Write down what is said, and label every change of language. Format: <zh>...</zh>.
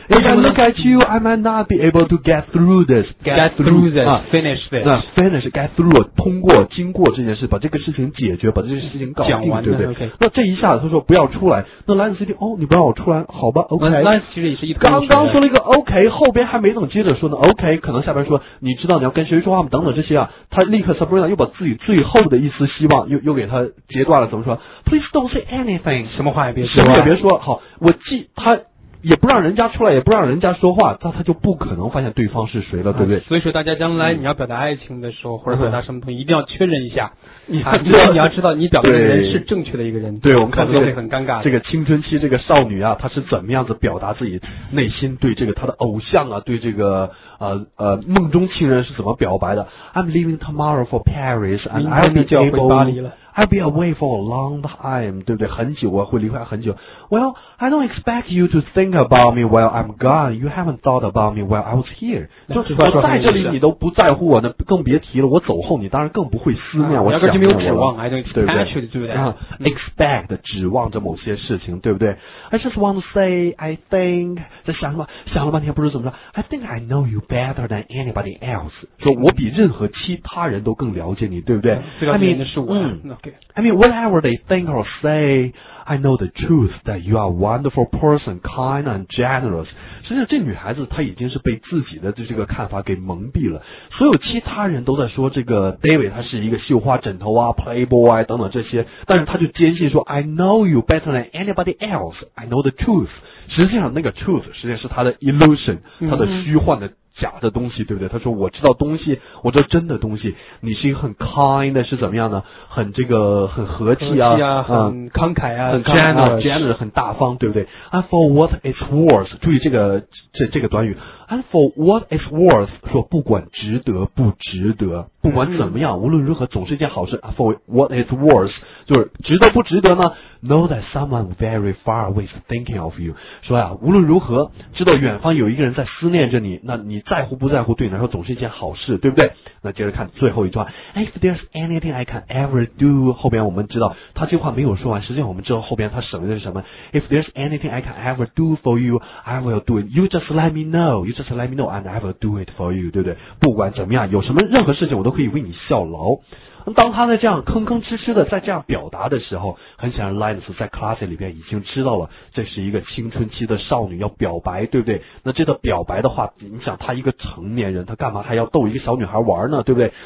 <en>If I look at you, I might not be able to get through this. Get through this, finish this,</en> <zh>通过，经过这件事，把这个事情解决，把这件事情搞定，对不对？</zh> <en>Okay.</en> <zh>那这一下他说不要出来，那 Lance 一听，哦，你不让我出来，好吧 ，OK。 Lance 其实也是一刚刚说了一个 OK， 后边还没等接着说呢 ，OK， 可能下边说你知道你要跟谁说话吗？等等这些啊，他立刻 Sabrina 又把自己最后的一丝希望又给他截断了，怎么说 ？</zh> <en>Please don't say anything，</en> <zh>什么话也别说，什么也别说，好，我记他。也不让人家出来，也不让人家说话，他就不可能发现对方是谁了，对不对？所以说大家将来你要表达爱情的时候，或者表达什么东西，一定要确认一下。你要知道你表达的人是正确的一个人。对，我们看到会很尴尬。这个青春期这个少女啊，她是怎么样子表达自己内心对这个她的偶像啊，对这个梦中情人是怎么表白的 ？</zh> <en>I'm leaving tomorrow for Paris and I'll be I'll be away for a long time，</en> <zh>对不对？很久啊，会离开很久。</zh> <en>Well, I don't expect you to think about me while I'm gone. You haven't thought about me while I was here.</en> <zh>就我在这里，你都不在乎我呢，更别提了。我走后，你当然更不会思念我。就没有指望 ，</zh> <en>I don't expect，</en> <zh>对不对？啊 ，expect 指望着某些事情，对不对 ？</zh> <en>I just want to say I think</en> <zh>在想什么？想了半天不知怎么着。</zh> <en>I think I know you better than anybody else。</en> <zh>说我比任何其他人都更了解你，对不对？最了解的是我。</zh> <en>Okay. I mean, whatever they think or say, I know the truth that you are a wonderful person, kind and generous.</en> <zh>实际上这女孩子她已经是被自己的这个看法给蒙蔽了。所有其他人都在说这个 David 他是一个绣花枕头啊 ,playboy 啊等等这些。但是他就坚信说</zh> <en>I know you better than anybody else, I know the truth.</en> <zh>实际上那个 truth 实际上是他的 illusion, 他的虚幻的假的东西，对不对？他说我知道东西，我知道真的东西。你是一个很 kind 的，是怎么样呢？很这个很和气啊，很慷慨啊，很 generous 很大方，对不对？</zh> <en>And for what it's worth，</en> <zh>注意这个这个短语。</zh> <en>And for what it's worth，</en> <zh>说不管值得不值得，不管怎么样，无论如何总是一件好事。</zh> <en>For what it's worth，</en> <zh>就是值得不值得呢？</zh> <en>Know that someone very far away is thinking of you，</en> <zh>说呀，无论如何知道远方有一个人在思念着你，那你在乎不在乎对你来说总是一件好事，对不对？那接着看最后一段。</zh> <en>If there's anything I can ever do，</en> <zh>后边我们知道他这话没有说完，实际上我们知道后边他省的是什么。</zh> <en>If there's anything I can ever do for you， I will do it， you just let me know， you just let me know and I will do it for you，</en> <zh>对不对？不管怎么样，有什么任何事情我都可以为你效劳。当他在这样吭吭哧哧的在这样表达的时候，很显然 Linus 在 Classy 里边已经知道了这是一个青春期的少女要表白，对不对？那这个表白的话，你想他一个成年人，他干嘛还要逗一个小女孩玩呢，对不对？</zh>